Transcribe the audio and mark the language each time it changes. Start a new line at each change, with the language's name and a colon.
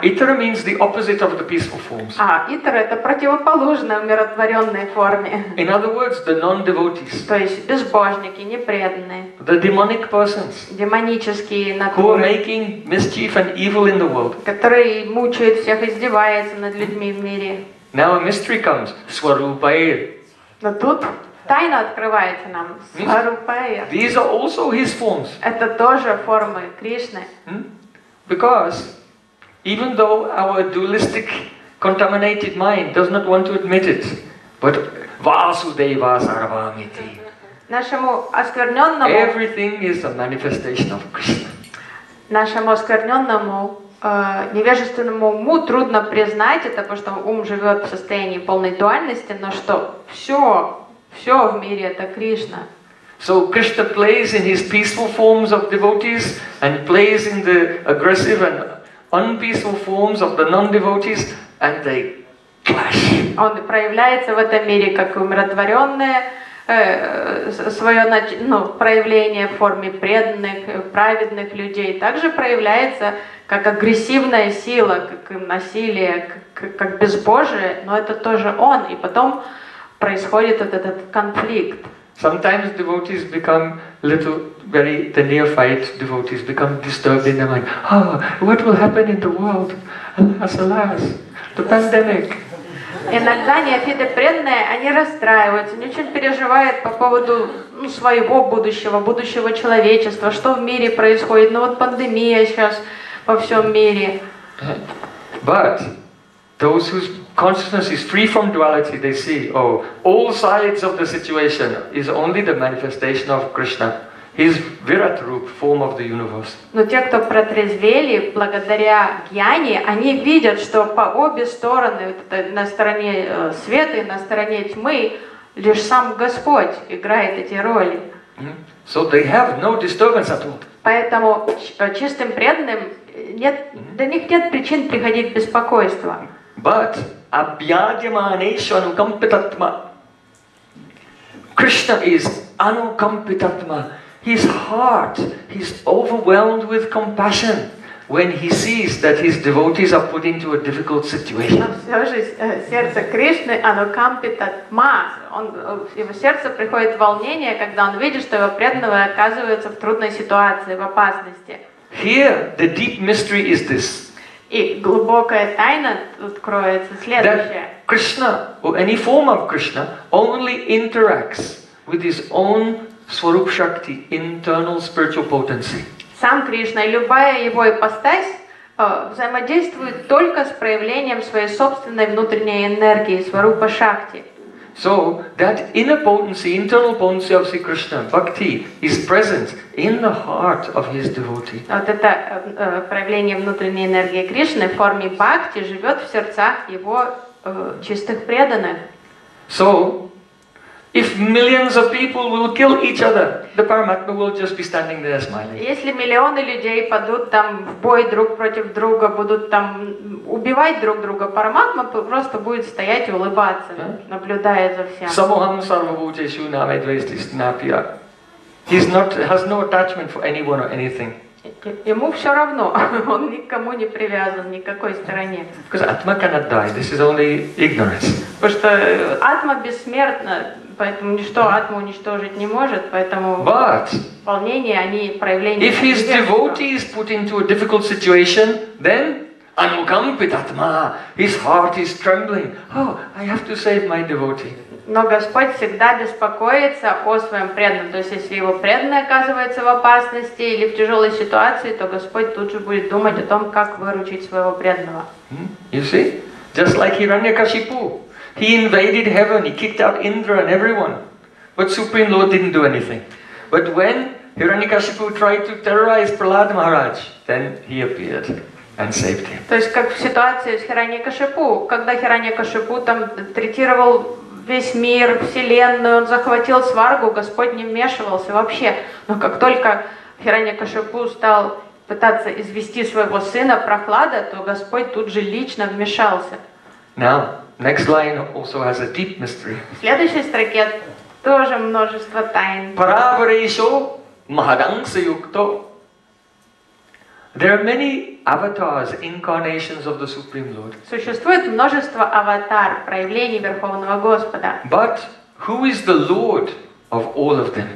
English: Итара means the opposite of the peaceful forms.
Russian: А, итара это противоположная умиротворенной форме.
English: In other words, the non-devotees.
Russian: То есть безбожники, непреданные.
English: The demonic persons.
Russian: Демонические натуры.
English: Who are making mischief and evil in the world.
Russian: Которые мучают всех, издеваются над людьми в мире.
English: Now a mystery comes. Сварупаир.
Russian: Но тут тайна открывается нам.
Sanskrit: Сварупаир.
English: These are also his forms.
Russian: Это тоже формы Кришны.
English: Because even though our dualistic, contaminated mind does not want to admit it, but
Sanskrit: Vasudeva Sarvamiti.
Russian: Нашему оскверненному.
English: Everything is a manifestation of Krishna.
Russian: Нашему оскверненному невежественному уму трудно признать это, потому что ум живет в состоянии полной дуальности, но что все в мире это Кришна.
English: So Krishna plays in his peaceful forms of devotees and plays in the aggressive and unpeaceful forms of the non-devotees, and they clash.
Russian: Он проявляется в этом мире как умиротворенное свое проявление в форме преданных, праведных людей. Также проявляется как агрессивная сила, как насилие, как безбожие. Но это тоже он. И потом происходит вот этот конфликт.
English: Sometimes devotees become the neophyte devotees become disturbed in their mind. Oh, what will happen in the world? Alas, alas, the pandemic.
Russian: Иногда неофиты преданные, они расстраиваются, они очень переживают по поводу своего будущего, будущего человечества, что в мире происходит. Ну вот пандемия сейчас во всем мире.
English: But those whose consciousness is free from duality, they see, oh, all sides of the situation is only the manifestation of Krishna, his Virat Rup, form of the universe.
Russian: Но те, кто протрезвели благодаря гьяне, они видят, что по обе стороны, на стороне света и на стороне тьмы, лишь сам Господь играет эти роли.
English: So they have no disturbance at all.
Russian: Поэтому чистым преданным нет, для них нет причин приходить в беспокойство.
English: But
Sanskrit: abhyajamanesu anukampitatma.
English: Krishna is anukampitatma. His heart, he's overwhelmed with compassion when he sees that his devotees are put into a difficult situation.
Russian: Сердце Кришны анукампитатма. Его сердце приходит в волнение, когда он видит, что его преданные оказываются в трудной ситуации, в опасности.
English: Here the deep mystery is this.
Russian: И глубокая тайна тут кроется следующая.
English: That Krishna, or any form of Krishna, only interacts with his own Swarup Shakti, internal spiritual potency.
Russian: Сам Кришна и любая его ипостась взаимодействует только с проявлением своей собственной внутренней энергии, Сварупа Шакти.
English: So that inner potency, internal potency of Sri Krishna, bhakti, is present in the heart of his devotee.
Russian: Вот это проявление внутренней энергии Кришны в форме бхакти живет в сердцах его чистых преданных.
English: So, if millions of people will kill each other, the Paramatma will just be standing there smiling.
Russian: Если миллионы людей пойдут там в бой друг против друга, будут там убивать друг друга, Параматма просто будет стоять и улыбаться, наблюдая за всем.
Sanskrit: Самохам сарвабхутешу намедвестиснапья.
English: Has no attachment for anyone or anything.
Russian: Ему все равно, он никому не привязан, никакой стороне.
English: Because Atma cannot die. This is only ignorance.
Russian: Потому что Атма бессмертна, поэтому ничто Атму уничтожить не может, поэтому волнения, они проявления.
English: If his devotee is put into a difficult situation, then Anukampitatma, his heart is trembling. Oh, I have to save my devotee.
Russian: Но Господь всегда беспокоится о своем преданном. То есть, если его преданный оказывается в опасности или в тяжелой ситуации, то Господь тут же будет думать о том, как выручить своего преданного.
English: You see? Just like Hiranyakashipu. He invaded heaven, he kicked out Indra and everyone. But Supreme Lord didn't do anything. But when Hiranyakashipu tried to terrorize Prahlad Maharaj, then he appeared. And saved him.
Russian: То есть как в ситуации с Хираньякашипу, когда Хираньякашипу там третировал весь мир, вселенную, он захватил Сваргу, Господь не вмешивался вообще. Но как только Хираньякашипу стал пытаться извести своего сына Прохлада, то Господь тут же лично вмешался.
English: Now, next line also has a deep mystery.
Russian: В следующей строке тоже множество тайн.
Sanskrit: Параварешу Махаданса Юкто.
English: There are many avatars, incarnations of the Supreme Lord.
Russian: Существует множество аватар, проявлений Верховного Господа.
English: But who is the Lord of all of them?